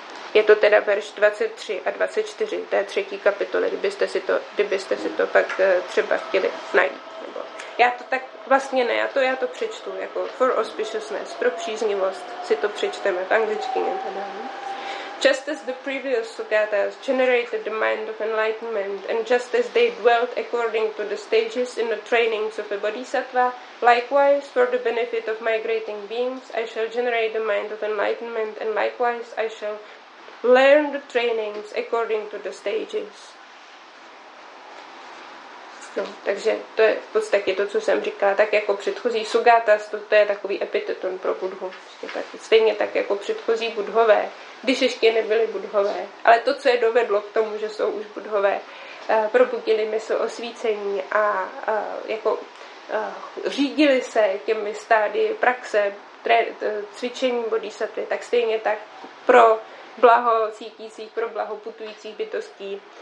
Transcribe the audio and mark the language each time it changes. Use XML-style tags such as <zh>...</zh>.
<cs>Je to teda verš 23 a 24 té třetí kapitoly, kdybyste si to pak třeba chtěli najít. Nebo já to tak vlastně ne, já to přečtu, jako</cs> <en>for auspiciousness,</en> <cs>pro příznivost, si to přečteme v angličtině. Teda.</cs> <en>Just as the previous sukhatas generated the mind of enlightenment and just as they dwelt according to the stages in the trainings of a bodhisattva, likewise, for the benefit of migrating beings, I shall generate the mind of enlightenment and likewise, I shall learn the trainings according to the stages.</en> <cs>No, takže to je v podstatě to, co jsem říkala, tak jako předchozí sugatas, to je takový epiteton pro Budhu. Stejně tak jako předchozí Budhové, když ještě nebyli Budhové. Ale to, co je dovedlo k tomu, že jsou už Budhové, probudili mysl osvícení a jako řídili se těmi stády praxe, cvičení bodhisattvy, tak stejně tak pro blaho cítících, pro blaho putujících bytostí.</cs>